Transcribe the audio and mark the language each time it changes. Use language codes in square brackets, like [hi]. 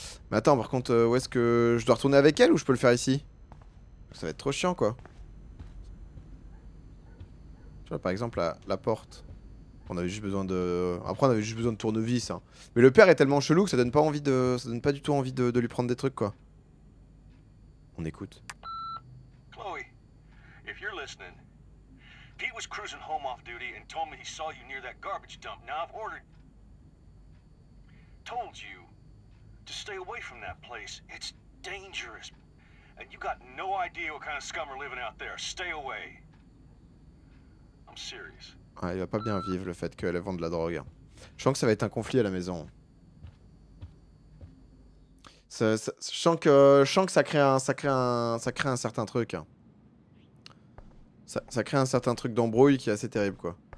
[fr] Mais attends, par contre, où est-ce que. Je dois retourner avec elle ou je peux le faire ici? Ça va être trop chiant, quoi. Tu vois, par exemple, la porte. On avait juste besoin de. Après, on avait juste besoin de tournevis. Hein. Mais le père est tellement chelou que ça donne pas envie de. Ça donne pas du tout envie de lui prendre des trucs, quoi. On écoute. [en] Chloe, if you're listening, Pete was cruising home off duty and told me he saw you near that garbage dump. Now I've ordered. Told you to stay away from that place. It's dangerous. And you got no idea what kind of scum are living out there. Stay away. I'm serious. [fr] Ah, il va pas bien vivre le fait qu'elle vende de la drogue. Je sens que ça va être un conflit à la maison. Je sens que ça crée un certain truc. Ça crée un certain truc d'embrouille qui est assez terrible, quoi.